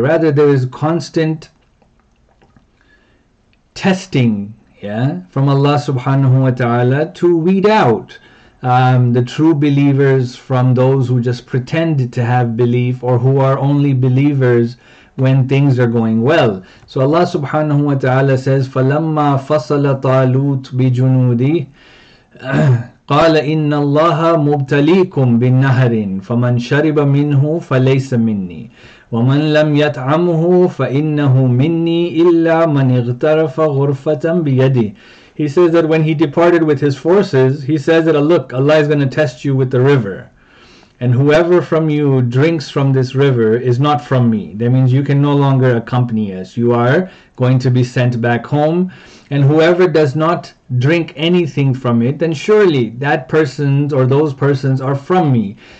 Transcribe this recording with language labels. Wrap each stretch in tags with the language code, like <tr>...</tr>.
<en>Rather, there is constant testing, yeah, from Allah subhanahu wa ta'ala to weed out the true believers from those who just pretend to have belief, or who are only believers when things are going well. So Allah subhanahu wa ta'ala says,</en> <ar>فَلَمَّا فَصَلَ طَالُوتُ بِجُنُودِهِ قَالَ إِنَّ اللَّهَ مُبْتَلِيكُمْ بِالنَّهَرٍ فَمَنْ شَرِبَ مِنْهُ فَلَيْسَ مِنِّي وَمَنْ لَمْ يَتْعَمْهُ فَإِنَّهُ مِنِّي إِلَّا مَنْ اِغْتَرَفَ غُرْفَةً بِيَدِهِ.</ar> <en>He says that when he departed with his forces, he says that, look, Allah is going to test you with the river. And whoever from you drinks from this river is not from me. That means you can no longer accompany us. You are going to be sent back home. And whoever does not drink anything from it, then surely that person or those persons are from me.</en>